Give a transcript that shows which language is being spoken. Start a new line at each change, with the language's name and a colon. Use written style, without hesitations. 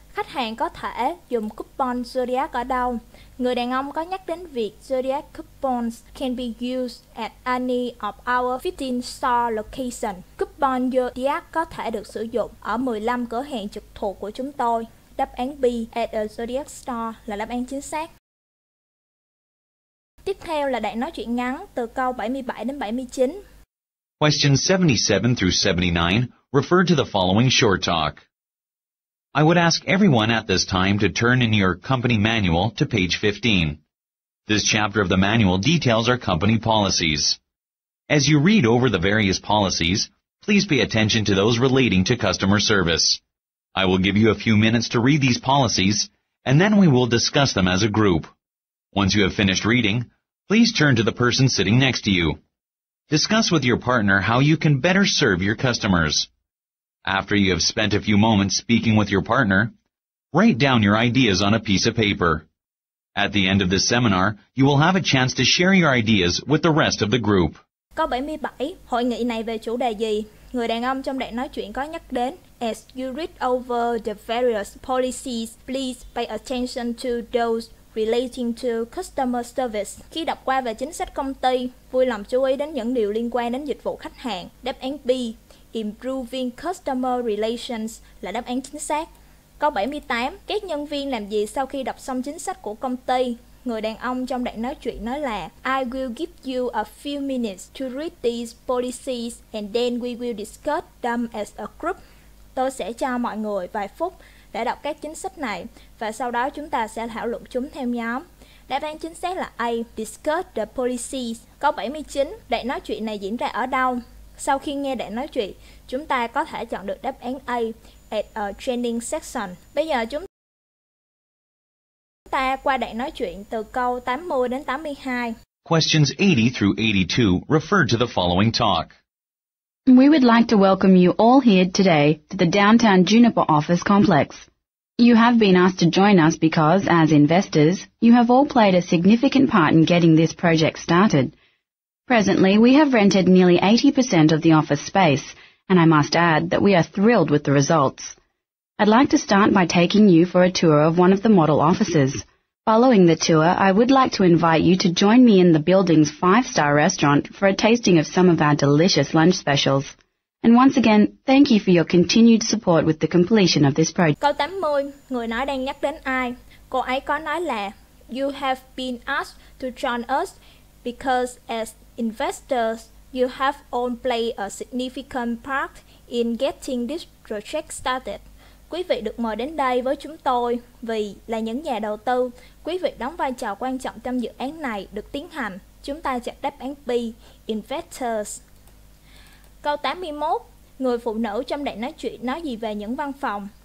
Vietnamese: Khách hàng có thể dùng coupon Zodiac ở đâu? Người đàn ông có nhắc đến việc
English: Zodiac coupons can be used at any of our 15 store locations.
Vietnamese: Coupon Zodiac có thể được sử dụng ở 15 cửa hàng trực thuộc của chúng tôi. Đáp án B
English: at a Zodiac store
Vietnamese: là đáp án chính xác. Tiếp theo là đoạn nói chuyện ngắn từ câu 77 đến 79.
English: Question 77 through 79 refer to the following short talk. I would ask everyone at this time to turn in your company manual to page 15. This chapter of the manual details our company policies. As you read over the various policies, please pay attention to those relating to customer service. I will give you a few minutes to read these policies, and then we will discuss them as a group. Once you have finished reading, please turn to the person sitting next to you. Discuss with your partner how you can better serve your customers. After you have spent a few moments speaking with your partner, write down your ideas on a piece of paper. At the end of this seminar, you will have a chance to share your ideas with the rest of the group.
Vietnamese: Câu 77, hội nghị này về chủ đề gì? Người đàn ông trong đoạn nói chuyện có nhắc đến,
English: as you read over the various policies, please pay attention to those relating to customer service.
Vietnamese: Khi đọc qua về chính sách công ty, vui lòng chú ý đến những điều liên quan đến dịch vụ khách hàng. Đáp án B,
English: improving customer relations
Vietnamese: là đáp án chính xác. Câu 78, các nhân viên làm gì sau khi đọc xong chính sách của công ty? Người đàn ông trong đoạn nói chuyện nói là
English: I will give you a few minutes to read these policies and then we will discuss them as a group.
Vietnamese: Tôi sẽ cho mọi người vài phút để đọc các chính sách này và sau đó chúng ta sẽ thảo luận chúng theo nhóm. Đáp án chính xác là A.
English: Discuss the policies.
Vietnamese: Câu 79, đoạn nói chuyện này diễn ra ở đâu? Sau khi nghe đoạn nói chuyện, chúng ta có thể chọn được đáp án A
English: at a training section.
Vietnamese: Bây giờ chúng ta qua đoạn nói chuyện từ câu 80 đến 82.
English: Questions 80 through 82 refer to the following talk. We would like to welcome you all here today to the downtown Juniper office complex. You have been asked to join us because, as investors, you have all played a significant part in getting this project started. Presently, we have rented nearly 80% of the office space, and I must add that we are thrilled with the results. I'd like to start by taking you for a tour of one of the model offices. Following the tour, I would like to invite you to join me in the building's 5-star restaurant for a tasting of some of our delicious lunch specials. And once again, thank you for your continued support with the completion of this project.
Vietnamese: Câu 80, người nói đang nhắc đến ai? Cô ấy có nói là,
English: you have been asked to join us because as investors, you have all played a significant part in getting this project started.
Vietnamese: Quý vị được mời đến đây với chúng tôi vì là những nhà đầu tư. Quý vị đóng vai trò quan trọng trong dự án này được tiến hành. Chúng ta chọn đáp án B, investors. Câu 81, người phụ nữ trong đoạn nói chuyện nói gì về những văn phòng?